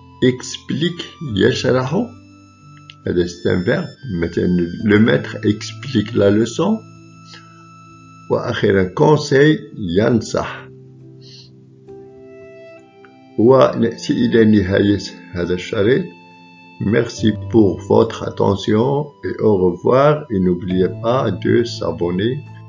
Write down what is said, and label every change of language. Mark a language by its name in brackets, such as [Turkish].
[French] explique, [Arabic] يشرح. هذا استنفر. مثلا, [French] le maître explique la leçon. [Arabic] وأخيرا, conseil, ينصح. ونأتي إلى نهاية هذا الشريط. [French] Merci pour votre attention et au revoir. Et n'oubliez pas de s'abonner.